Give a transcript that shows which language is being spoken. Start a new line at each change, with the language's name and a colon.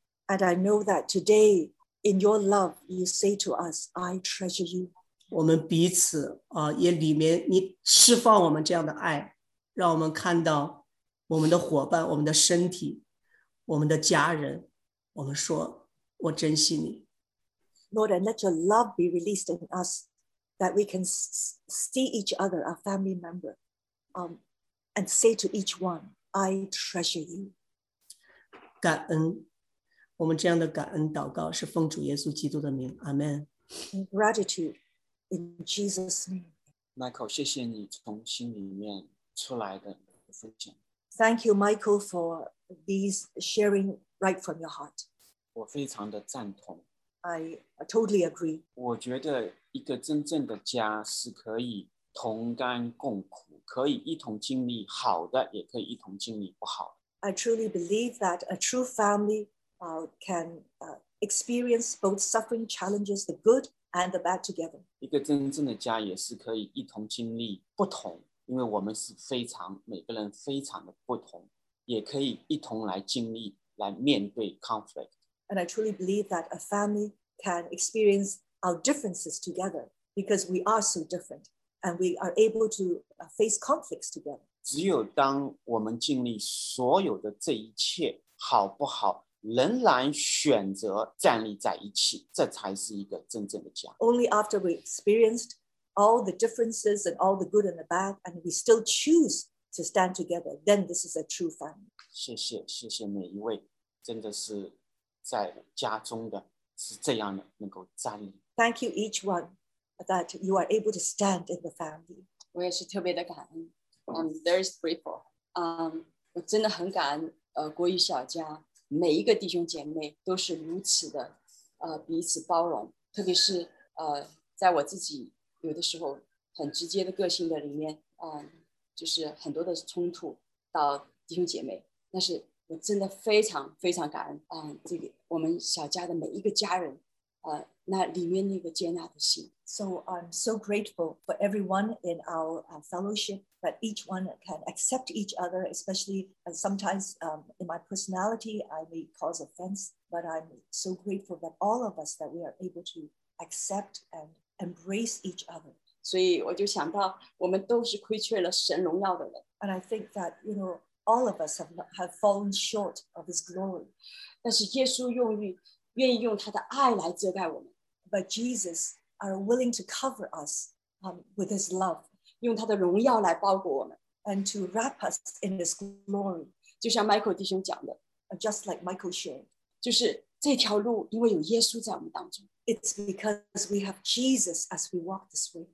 English: And I know that today, in your love, you say to us, I treasure you.
Chinese: 我们彼此, 也里面, 你释放我们这样的爱, 让我们看到我们的伙伴, 我们的身体, 我们的家人, 我们说, 我珍惜你。
English: Lord, and let your love be released in us, that we can see each other, our family member, and say to each one, I treasure you.
Chinese: 感恩。我们这样的感恩祷告是奉主耶稣基督的名 Amen
English: Gratitude in Jesus name
Chinese: Michael 谢谢你从心里面出来的分享
English: Thank you Michael for these sharing right from your heart
Chinese: 我非常的赞同
English: I totally agree
Chinese: 我觉得一个真正的家是可以同甘共苦可以一同经历好的也可以一同经历不好
English: I truly believe that a true familycan experience both suffering challenges, the good and the bad together.
Chinese: 一个真正的家也是可以一同经历不同，因为我们是非常每个人非常的不同，也可以一同来经历来面对 conflict.
English: And I truly believe that a family can experience our differences together because we are so different and we are able to face conflicts together.
Chinese: 只有当我们经历所有的这一切好不好？仍然选择站立在一起，这才是一个真正的家。
English: Only after we experienced all the differences and all the good and the bad, and we still choose to stand together, then this is a true family.
Chinese: 谢谢，谢谢每一位，真的是在家中的，是这样的能够站立。
English: Thank you each one that you are able to stand in the family.
Chinese: 我也是特别的感恩 ，
English: I'm very grateful.
Chinese: 我真的很感恩，国语小家。每一个弟兄姐妹都是如此的彼此包容特别是在我自己有的时候很直接的个性的里面就是很多的冲突到弟兄姐妹但是我真的非常非常感恩这个我们小家的每一个家人那里面那个接纳的心
English: So I'm so grateful for everyone in our fellowship that each one can accept each other especially sometimes in my personality I may cause offense but I'm so grateful that all of us that we are able to accept and embrace each other
Chinese: 所以我就想到我们都是亏缺了神荣耀的人
English: And I think that you know all of us have fallen short of his glory
Chinese: 但是耶稣用于愿意用他的爱来遮盖我们
English: But Jesus are willing to cover us with his love
Chinese: 用他的荣耀来包裹我们
English: And to wrap us in his glory
Chinese: 就像 Michael 弟兄讲的
English: Just like Michael shared
Chinese: 就是这条路因为有耶稣在我们当中
English: It's because we have Jesus as we walk this way